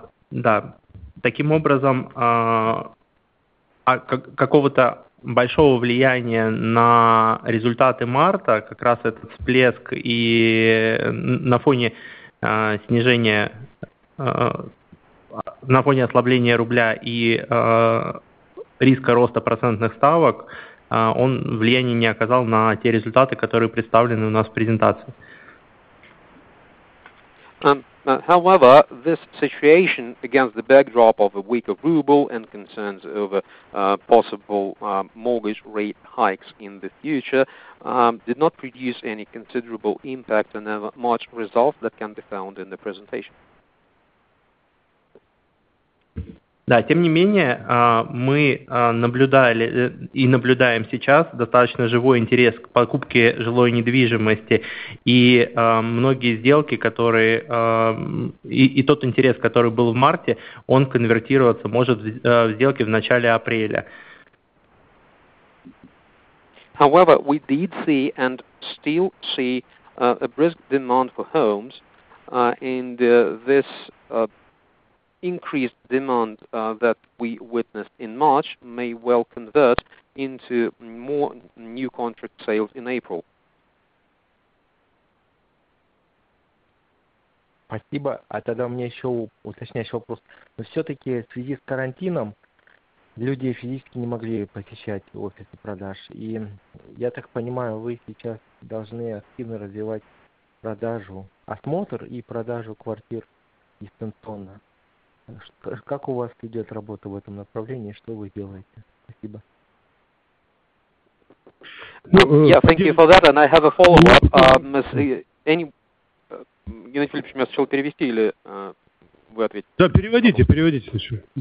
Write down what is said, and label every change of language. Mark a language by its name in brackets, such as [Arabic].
[Russian] Да, таким образом, какого-то большого влияния на результаты марта, как раз этот всплеск и на фоне снижения, на фоне ослабления рубля и риска роста процентных ставок, он влияния не оказал на те результаты, которые представлены у нас в презентации. [English] However, this situation against the backdrop of a weaker ruble and concerns over possible mortgage rate hikes in the future did not produce any considerable impact on the March results that can be found in the presentation. [Russian] Да, тем не менее, мы наблюдали и наблюдаем сейчас достаточно живой интерес к покупке жилой недвижимости, и многие сделки, которые и тот интерес, который был в марте, он конвертироваться может в сделки в начале апреля. [English] However, we did see and still see a brisk demand for homes, and this increased demand that we witnessed in March may well convert into more new contract sales in April. [Russian] Спасибо. А тогда у меня еще уточняющий вопрос. Но все-таки в связи с карантином люди физически не могли посещать офисы продаж. И я так понимаю, вы сейчас должны активно развивать продажу, осмотр и продажу квартир дистанционно. Как у вас идет работа в этом направлении? Что вы делаете? Спасибо. [English] Yeah, thank you for that, and I have a follow-up. [Russian] Геннадий Филиппович, меня сначала перевести или вы ответите? Да, переводите, переводите сначала.